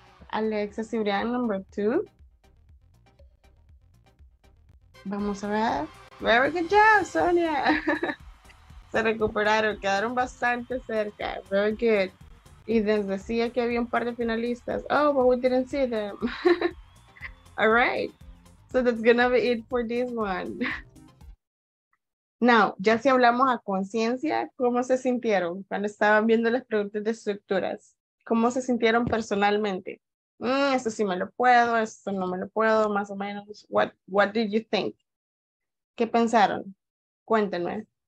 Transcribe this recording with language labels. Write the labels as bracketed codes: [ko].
[en] Alexa Cibrián, number two. [es] Vamos a ver. [en] Very good job, [es] Sonia. Se recuperaron, quedaron bastante cerca. [en] Very good. [es] Y les decía que había un par de finalistas. [en] Oh, but we didn't see them. All right. So that's gonna be it for this one. Now, [es] ya si hablamos a conciencia, ¿cómo se sintieron cuando estaban viendo las preguntas de estructuras? ¿Cómo se sintieron personalmente? Esto sí me lo puedo, esto no me lo puedo, más o menos. [en] What did you think? [es] ¿Qué pensaron? Cuéntenme.